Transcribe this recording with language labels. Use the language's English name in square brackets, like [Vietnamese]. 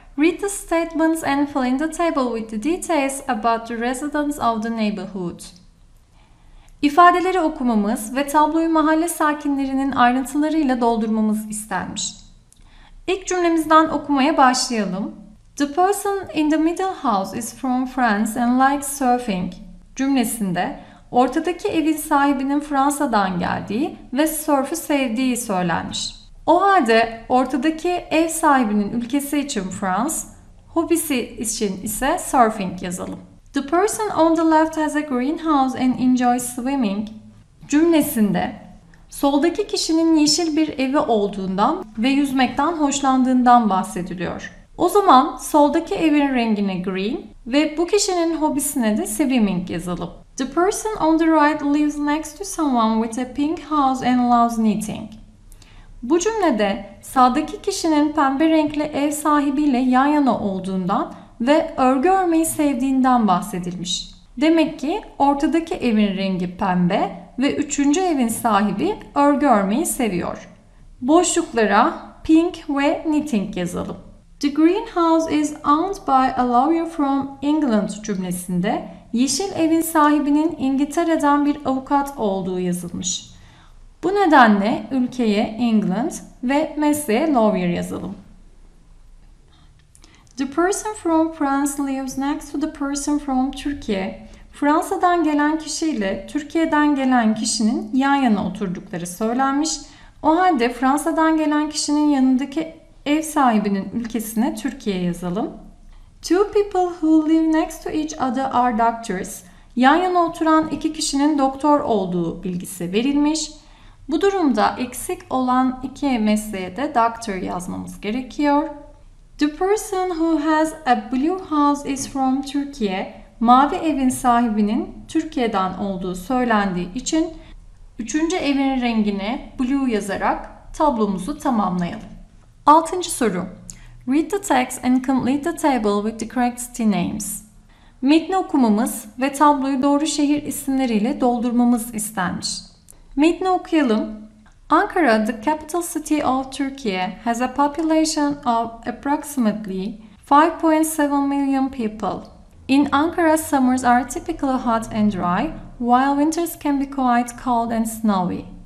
[English] Read the statements and fill in the table with the details about the residents of the neighborhood. [Turkish] İfadeleri okumamız ve tabloyu mahalle sakinlerinin ayrıntılarıyla doldurmamız istenmiş. İlk cümlemizden okumaya başlayalım. [English] The person in the middle house is from France and likes surfing [Turkish] cümlesinde ortadaki evin sahibinin Fransa'dan geldiği ve surf'ü sevdiği söylenmiş. O halde ortadaki ev sahibinin ülkesi için France, hobisi için ise surfing yazalım. [English] The person on the left has a greenhouse and enjoys swimming [Turkish] cümlesinde soldaki kişinin yeşil bir evi olduğundan ve yüzmekten hoşlandığından bahsediliyor. O zaman soldaki evin rengine green ve bu kişinin hobisine de swimming yazalım. [English] The person on the right lives next to someone with a pink house and loves knitting. [Turkish] Bu cümlede sağdaki kişinin pembe renkli ev sahibiyle yan yana olduğundan ve örgü örmeyi sevdiğinden bahsedilmiş. Demek ki ortadaki evin rengi pembe ve üçüncü evin sahibi örgü örmeyi seviyor. Boşluklara pink ve knitting yazalım. [English] The greenhouse is owned by a lawyer from England [Turkish] cümlesinde yeşil evin sahibinin İngiltere'den bir avukat olduğu yazılmış. Bu nedenle ülkeye England ve mesleğe lawyer yazalım. [English] The person from France lives next to the person from Turkey. [Turkish] Fransa'dan gelen kişiyle Türkiye'den gelen kişinin yan yana oturdukları söylenmiş. O halde Fransa'dan gelen kişinin yanındaki ev sahibinin ülkesine Türkiye yazalım. [English] Two people who live next to each other are doctors. [Turkish] Yan yana oturan iki kişinin doktor olduğu bilgisi verilmiş. Bu durumda eksik olan iki mesleğe de doctor yazmamız gerekiyor. [English] The person who has a blue house is from Türkiye. [Turkish] Mavi evin sahibinin Türkiye'den olduğu söylendiği için üçüncü evin rengine blue yazarak tablomuzu tamamlayalım. Altıncı soru. [English] Read the text and complete the table with the correct city names. [Turkish] Metni okumamız ve tabloyu doğru şehir isimleriyle doldurmamız istenmiş. Metni okuyalım. [English] Ankara, the capital city of Turkey, has a population of approximately 5.7 million people. In Ankara, summers are typically hot and dry, while winters can be quite cold and snowy.